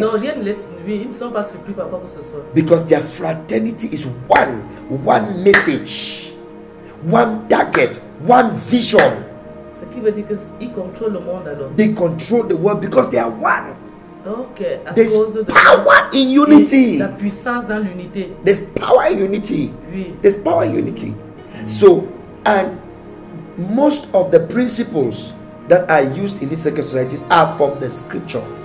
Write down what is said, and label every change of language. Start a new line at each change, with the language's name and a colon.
French: Non, rien ne les, oui, ils ne sont pas surpris par quoi que ce soit.
English: Because their fraternity is one message, one target, one vision.
French: Ce qui veut dire que ils contrôlent le monde alors.
English: They control the world because they are one. Okay. There's power in unity.
French: La puissance dans l'unité.
English: There's power in unity.
French: Oui.
English: There's power in unity. So, and most of the principles that are used in these secret societies are from the scripture.